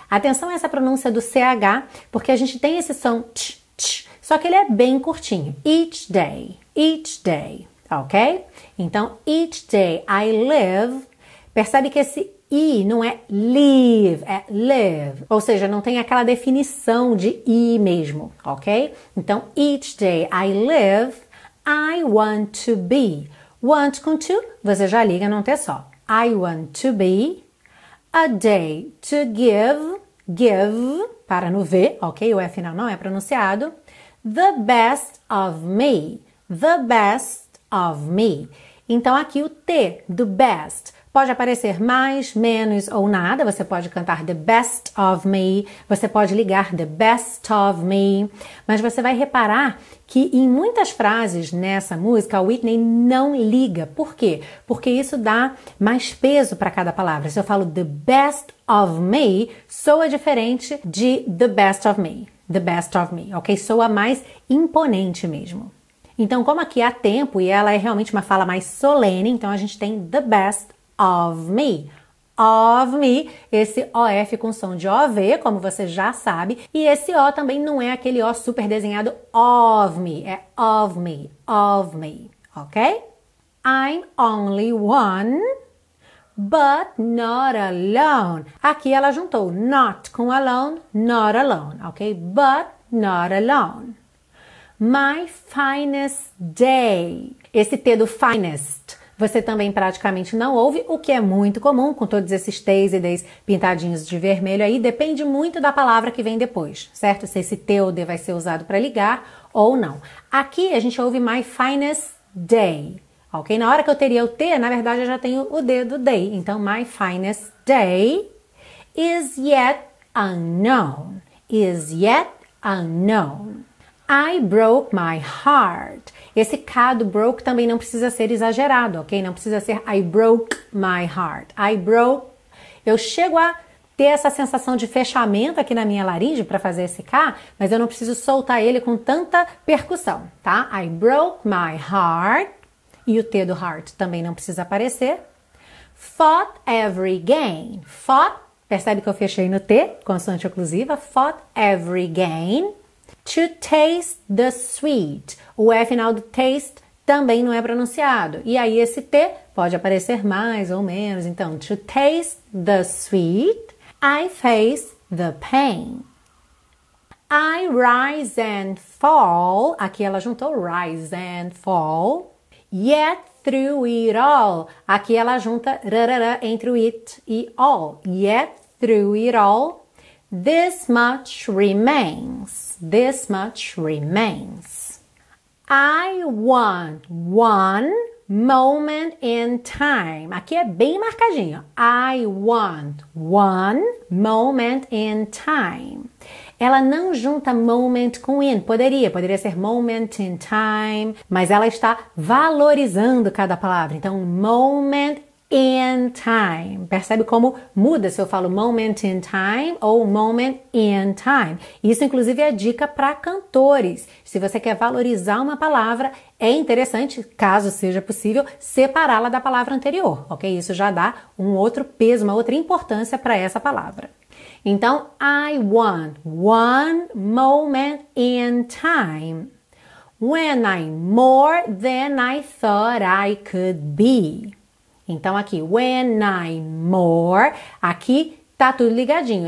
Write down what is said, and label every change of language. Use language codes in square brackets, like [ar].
[pt] Atenção a essa pronúncia do CH, porque a gente tem esse som tch, tch, só que ele é bem curtinho. [en] Each day. Each day. Ok? Então, each day I live. [pt] Percebe que esse I não é live, é live. Ou seja, não tem aquela definição de I mesmo. Ok? [en] Então, each day I live, I want to be. [pt] Want com to, você já liga, não tem só. [en] I want to be. A day to give, give, [pt] para no V, [en] ok? [pt] O F final não é pronunciado. [en] The best of me, the best of me. [pt] Então, aqui o T do best pode aparecer mais, menos ou nada. Você pode cantar [en] the best of me, [pt] você pode ligar the best of me. Mas você vai reparar que em muitas frases nessa música, a Whitney não liga. Por quê? Porque isso dá mais peso para cada palavra. Se eu falo [en] the best of me, [pt] soa diferente de the best of me. [en] The best of me, [pt] ok? Soa mais imponente mesmo. Então, como aqui há tempo e ela é realmente uma fala mais solene, então a gente tem [en] the best of me. [pt] Of me, esse OF com som de OV, como você já sabe, e esse O também não é aquele O super desenhado [en] of me, [pt] é of me, ok? [en] I'm only one, but not alone. [pt] Aqui ela juntou not com alone, [en] not alone, [pt] ok? [en] But not alone. My finest day, [pt] esse T do finest. Você também praticamente não ouve, o que é muito comum com todos esses T's e D's pintadinhos de vermelho aí. Depende muito da palavra que vem depois, certo? Se esse T ou D vai ser usado para ligar ou não. Aqui a gente ouve [en] my finest day, [pt] ok? Na hora que eu teria o T, na verdade eu já tenho o D do day. [en] Então, my finest day is yet unknown. Is yet unknown. I broke my heart. [pt] Esse K do broke também não precisa ser exagerado, ok? Não precisa ser [en] I broke my heart. [pt] I broke. Eu chego a ter essa sensação de fechamento aqui na minha laringe para fazer esse K, mas eu não preciso soltar ele com tanta percussão, tá? [en] I broke my heart, [pt] e o T do heart também não precisa aparecer. [en] Fought every game, [pt] fought, percebe que eu fechei no T, consoante oclusiva, fought every game. To taste the sweet, o E final do taste também não é pronunciado, e aí esse T pode aparecer mais ou menos, então, [en] to taste the sweet, I face the pain. I rise and fall, [pt] aqui ela juntou [en] rise and fall, yet through it all, aqui ela junta rarara entre o it e all, yet through it all, this much remains, this much remains. I want one moment in time. [pt] Aqui é bem marcadinho. [en] I want one moment in time. [pt] Ela não junta moment com in. Poderia ser moment in time. Mas ela está valorizando cada palavra. Então, [en] moment in time. [pt] Percebe como muda se eu falo moment in time ou moment in time. Isso, inclusive, é dica para cantores. Se você quer valorizar uma palavra, é interessante, caso seja possível, separá-la da palavra anterior, ok? Isso já dá um outro peso, uma outra importância para essa palavra. [en] Então, I want one moment in time when I'm more than I thought I could be. [pt] Então, aqui, [en] when I'm more, [pt] aqui tá tudo ligadinho.